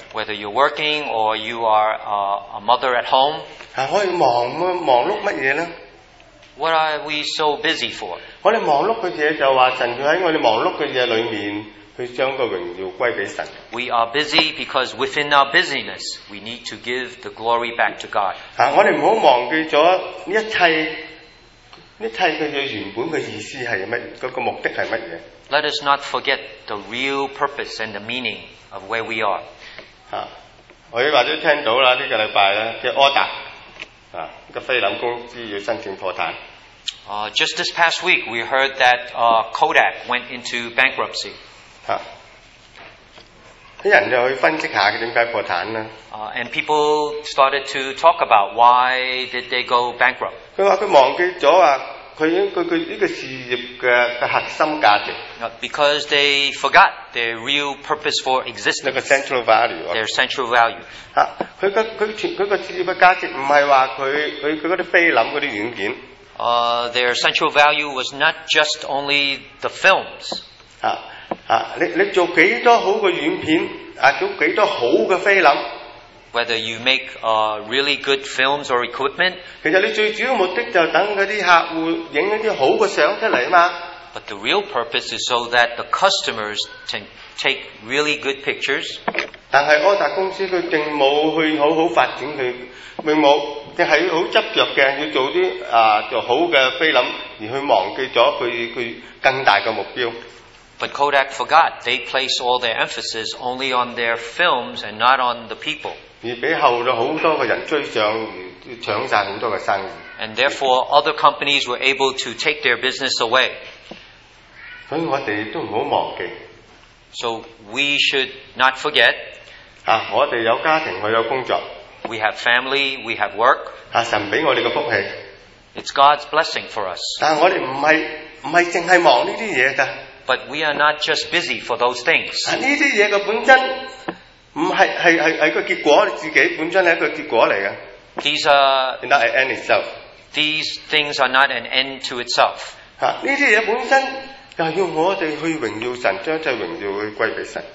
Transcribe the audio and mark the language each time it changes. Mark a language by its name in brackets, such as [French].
[English] Whether you're working or you are a mother at home, [Cantonese] 我哋忙碌乜嘢咧 [English] ？What are we so busy for？ [Cantonese] 我哋忙碌嘅嘢就话神喺我哋忙碌嘅嘢里面，去将个荣耀归俾神。 [English] We are busy because within our busyness, we need to give the glory back to God. [Cantonese] 我哋唔好忘记咗一切嘅嘢原本嘅意思系乜？嗰个目的系乜嘢 [English] ？Let us not forget the real purpose and the meaning of where we are. [Cantonese] 我亦或者听到啦，呢个礼拜咧嘅 order 个菲林公司要申请破产。 [English] Just this past week, we heard that Kodak went into bankruptcy. [Cantonese] 人就去分析下佢点解破产啦。 [English] And people started to talk about why did they go bankrupt？ [Cantonese] 佢话佢忘记咗佢呢个事业嘅核心价值。 [English] Because they forgot their real purpose for existence。那个 central value。 Their central value。 [Cantonese] 佢个事业嘅价值唔系话佢嗰啲菲林嗰啲软件。 [English] Their central value was not just only the films。 [Cantonese] 你做几多好嘅软片做几多好嘅菲林 [English] ？Whether you make really good films or equipment， [Cantonese] 其实你最主要目的就等嗰啲客户影一啲好嘅相出嚟嘛。 [English] But the real purpose is so that the customers can take really good pictures。 [Cantonese] 但系柯达公司佢并冇去好好发展佢，并冇即系好执着嘅要做啲做好嘅菲林，而去忘记咗佢更大嘅目标。 [English] But Kodak forgot. They place all their emphasis only on their films and not on the people. [Cantonese] 而俾后咗好多个人追上，而抢晒好多嘅生意。 [English] And therefore, other companies were able to take their business away. [Cantonese] 所以我哋都唔好忘记。 [English] So we should not forget. [Cantonese] 我哋有家庭，我有工作。 [English] We have family. We have work. [Cantonese] 神俾我哋嘅福气。 [English] It's God's blessing for us. [Cantonese] 但我哋唔系净系忙呢啲嘢噶。 [English] But we are not just busy for those things. [Cantonese] 呢啲嘢嘅本身唔系个结果，自己本身系一个结果嚟嘅。 [English] These are not an end itself. These things are not an end to itself. [Cantonese] 呢啲嘢本身就要我哋去荣耀神，将这荣耀去归俾神。